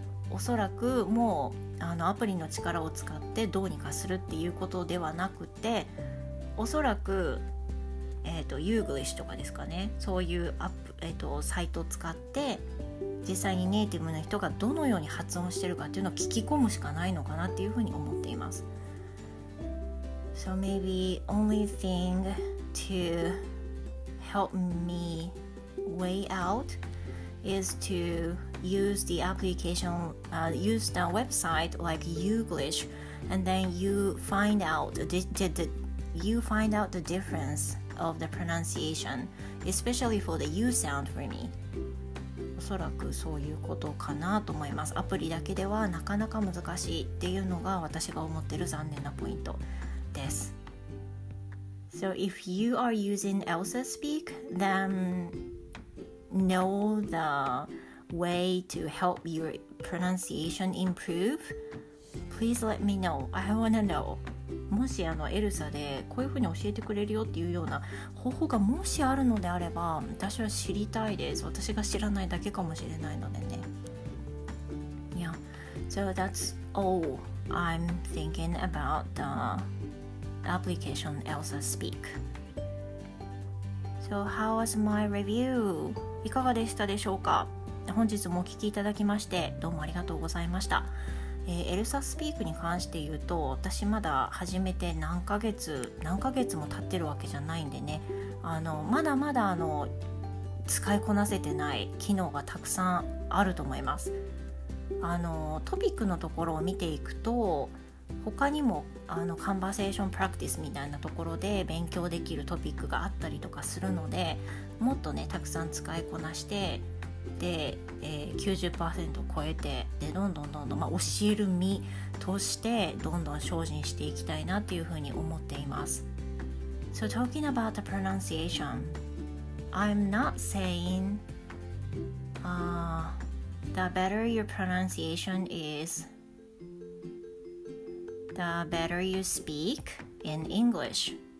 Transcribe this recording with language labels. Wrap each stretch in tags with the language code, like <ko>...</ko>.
<ja>おそらくもうアプリの力を使ってどうにかするっていうことではなくて、おそらく、ユーグリッシュとかですかね、そういうサイトを使って実際にネイティブの人がどのように発音してるかっていうのを聞き込むしかないのかなっていうふうに思っています。</ja> <en>So maybe only thing to help me way out is to use the application, use the website like Youglish, and then you find out the difference of the pronunciation, especially for the U sound for me.</en> <ja>おそらくそういうことかなと思います。アプリだけではなかなか難しいっていうのが私が思ってる残念なポイントです。</ja> <en>So if you are using Elsa Speak, then know the way to help your pronunciation improve, please let me know. I wanna know.</en> <ja>もしエルサでこういうふうに教えてくれるよっていうような方法がもしあるのであれば、私は知りたいです。私が知らないだけかもしれないのでね。</ja> <en>Yeah. So that's all I'm thinking about the application Elsa Speak. So how was my review?</en> <ja>いかがでしたでしょうか。本日もお聞きいただきましてどうもありがとうございました。エルサスピークに関して言うと、私まだ始めて何ヶ月も経ってるわけじゃないんでね、まだまだ使いこなせてない機能がたくさんあると思います。トピックのところを見ていくと、他にもカンバセーションプラクティスみたいなところで勉強できるトピックがあったりとかするので、もっとねたくさん使いこなして、で、90% 超えて、でどんどん、まあ、教える身としてどんどん精進していきたいなっていうふうに思っています。</ja> <en>So talking about the pronunciation, I'm not saying the better your pronunciation isThe better you speak in English.</en>